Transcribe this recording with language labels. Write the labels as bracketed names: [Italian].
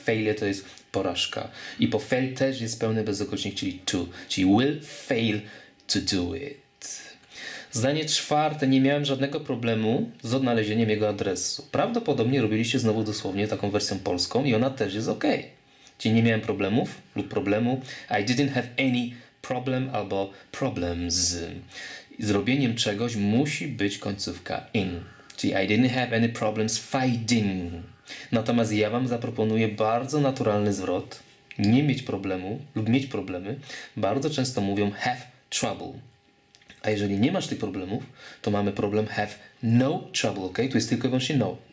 [Polish] Failure to jest porażka. I po fail też jest pełny bezokrocznik, czyli to. Czyli [English] will fail to do it. [Polish] Zdanie czwarte. Nie miałem żadnego problemu z odnalezieniem jego adresu. Prawdopodobnie robiliście znowu dosłownie taką wersją polską i ona też jest ok. Czyli nie miałem problemów lub problemu. [English] I didn't have any problem [Polish] albo [English] problems. [Polish] Zrobieniem czegoś musi być końcówka in. Czyli [English] I didn't have any problems fighting. [Polish] Natomiast ja wam zaproponuję bardzo naturalny zwrot. Nie mieć problemu lub mieć problemy. Bardzo często mówią [English] have trouble. [Polish] A jeżeli nie masz tych problemów, to mamy problem [English] have no trouble. [Polish] Okay? Tu jest tylko i wyłącznie no.